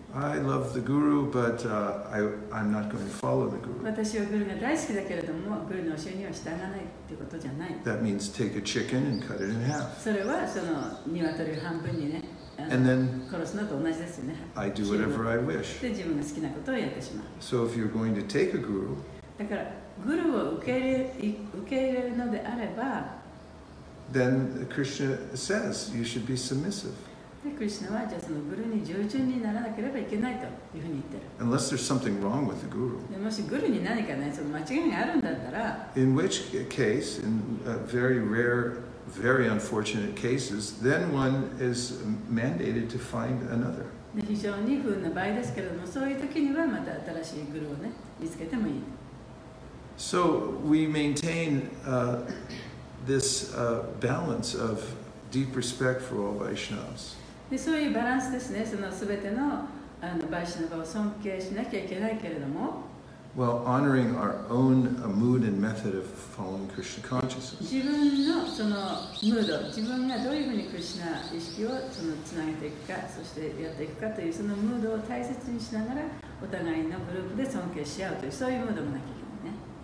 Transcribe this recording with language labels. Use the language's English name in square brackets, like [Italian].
[English] I love the guru, but I'm not going to follow the guru. [Japanese] 私はグルが大好きだけれども、グルの教えには従わないということじゃない。 [English] That means take a chicken and cut it in half. [Japanese] それはその鶏を半分にね、 [English] And then [Japanese] 殺すのと同じですよね。 [English] I do whatever I wish. [Japanese] で自分が好きなことをやってしまう。 [English] So if you're going to take a guru, [Japanese] だから、グルを受け入れるのであれば、 [English] Then Krishna says you should be submissive. [Japanese] で、クリシナはじゃあそのグルに従順にならなければいけないというふうに言ってる。 [English] Unless there's something wrong with the guru. [Japanese] でもしグルに何かね、その間違いがあるんだったら、 [English] In which case, in very rare, very unfortunate cases, then one is mandated to find another. [Japanese] で、非常に不運な場合ですけれども、そういう時にはまた新しいグルをね、見つけてもいい。 [English] So we maintain this balance of deep respect for all Vaishnavas. [Japanese] で、そういうバランスですね。その全てのあのバイシナバを尊敬しなきゃいけないけれども。 [English] Well, honoring our own mood and method of following Krishna consciousness. [Japanese] 自分のそのムード、自分がどういうふうにクリシナ意識をそのつなげていくか、そしてやっていくかというそのムードを大切にしながら、お互いのグループで尊敬し合うというそういうムードもなきゃいけない。